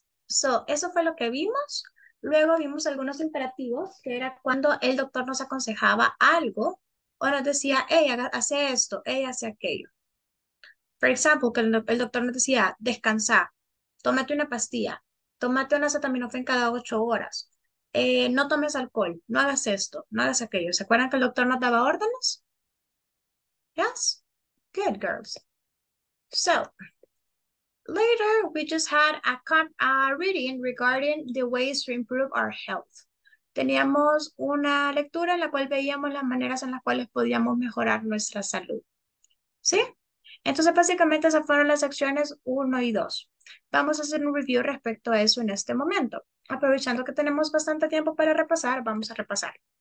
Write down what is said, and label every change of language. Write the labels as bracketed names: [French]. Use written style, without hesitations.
[Spanish] So, eso fue lo que vimos. Luego vimos algunos imperativos, que era cuando el doctor nos aconsejaba algo o nos decía, hey, hace esto, hey, hace aquello. Por ejemplo, que el doctor nos decía, descansa, tómate una pastilla, tómate un acetaminofén cada 8 horas. No tomes alcohol, no hagas esto, no hagas aquello. ¿Se acuerdan que el doctor nos daba órdenes? [English] Yes. Good girls. So, later we just had a reading regarding the ways to improve our health. [Spanish] Teníamos una lectura en la cual veíamos las maneras en las cuales podíamos mejorar nuestra salud. ¿Sí? Entonces, básicamente esas fueron las secciones 1 y 2. Vamos a hacer un review respecto a eso en este momento. Aprovechando que tenemos bastante tiempo para repasar, vamos a repasar.